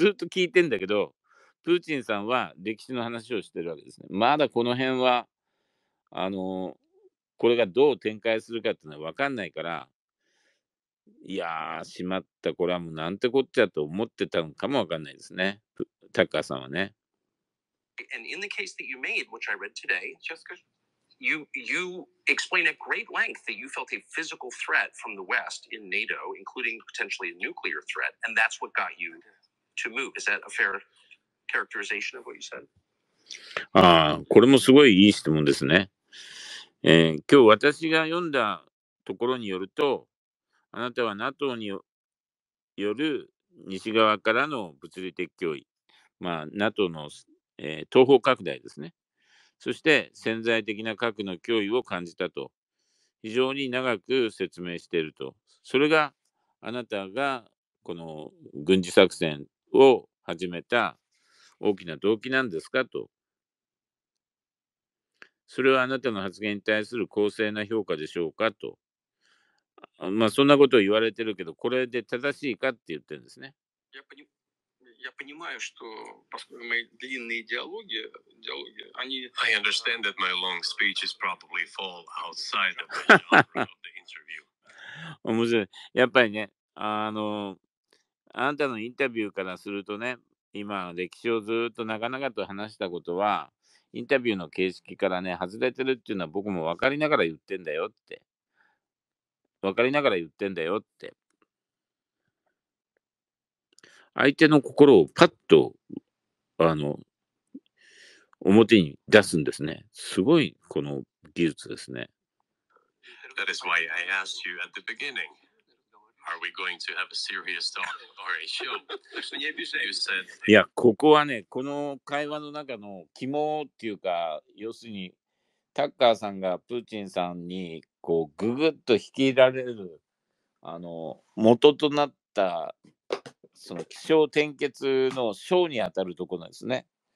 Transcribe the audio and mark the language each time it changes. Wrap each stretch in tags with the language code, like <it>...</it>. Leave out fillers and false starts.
<ja>ずっと聞いてんだけど、プーチンさんは歴史の話をしてるわけですね。まだこの辺は、これがどう展開するかっていうのは分かんないから、いやー、しまった、これはもうなんてこっちゃと思ってたのかも分かんないですね。タッカーさんはね。</ja> <en>And in the case that you made, which I read today, Jessica, you explain at great length that you felt a physical threat from the West in NATO, including potentially a nuclear threat, and that's what got you to move. Is that a fair characterization of what you said?</en> <ja>ああ、これもすごいいい質問ですね。今日私が読んだところによると、あなたは NATO による西側からの物理的脅威、まあ、NATO の、東方拡大ですね。そして潜在的な核の脅威を感じたと、非常に長く説明していると。それがあなたがこの軍事作戦を始めた大きな動機なんですかと。それはあなたの発言に対する公正な評価でしょうかと。まあ、そんなことを言われてるけど、これで正しいかって言ってるんですね。</ja> <ru>Я понимаю, что поскольку мои длинные диалоги, они...</ru> <en>I understand that my long speeches probably fall outside of the interview.</en> <ja>面白い。やっぱりね、あなたのインタビューからするとね、今、歴史をずっと長々と話したことは、インタビューの形式からね、外れてるっていうのは僕も分かりながら言ってんだよって。分かりながら言ってんだよって。相手の心をパッと表に出すんですね。すごいこの技術ですね。</ja> <en>That is why I asked you at the beginning. Are we going to have a serious talk or a show? You said...</en> <ja>いや、ここはね、この会話の中の肝っていうか、要するに、タッカーさんがプーチンさんにこうググッと引き入れられる元となったその起承転結の章にあたるところなんですね。</ja>